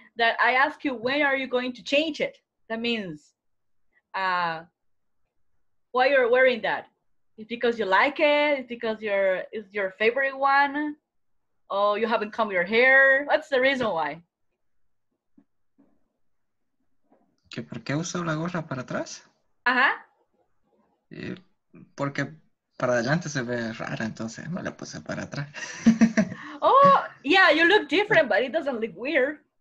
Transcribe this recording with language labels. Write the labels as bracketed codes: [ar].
[en] That I ask you, when are you going to change it? That means why you're wearing that? It's because you like it, it's because it's your favorite one, or you haven't combed your hair. What's the reason why? [es] ¿Que por qué uso la gorra para atrás? Ajá. Y porque para adelante se ve rara, entonces me la puse para atrás. [en] Oh, yeah, you look different, but it doesn't look weird.